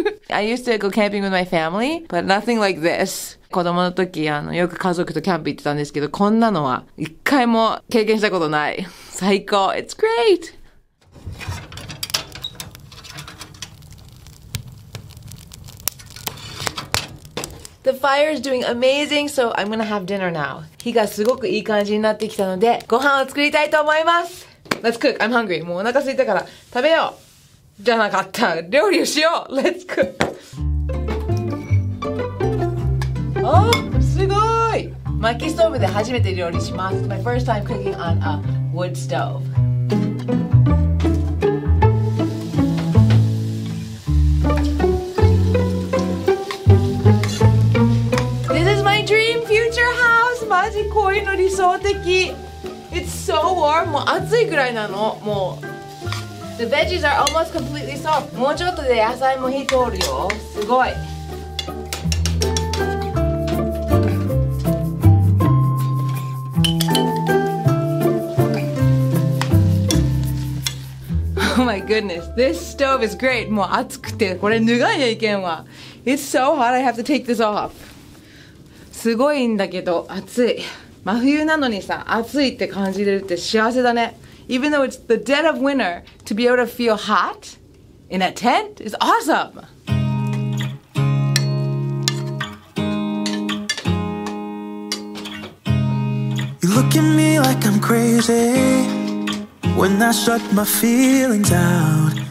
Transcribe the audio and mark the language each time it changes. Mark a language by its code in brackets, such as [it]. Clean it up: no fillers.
[en] I used to go camping with my family, but nothing like this. [ja] 子供の時よく家族とキャンプ行ってたんですけど、こんなのは一回も経験したことない。最高。 [en] It's great! The fire is doing amazing, so I'm gonna have dinner now. [ja] 火がすごくいい感じになってきたので、ご飯を作りたいと思います。 [en] Let's cook. I'm hungry. [ja] もうお腹空いたから食べよう。じゃなかった。料理をしよう。 [en] Let's cook. [ja] すごい。薪ストーブで初めて料理します。 [en] My first time cooking on a wood stove. This is my dream future house. [ja] マジこういうの理想的。 [en] It's so warm. [ja] もう暑いぐらいなの。もう。 [en] The veggies are almost completely soft. [ja] もうちょっとで野菜も火通るよ。すごい。 [en] Oh my goodness, this stove is great. [ja] もう暑くて、これ脱がないといけんわ。 [en] It's so hot, I have to take this off. [ja] すごいんだけど、暑い。真冬なのにさ、暑いって感じれるって幸せだね。 [en] Even though it's the dead of winter, to be able to feel hot in a tent is awesome. You look at me like I'm crazy when I shut my feelings out.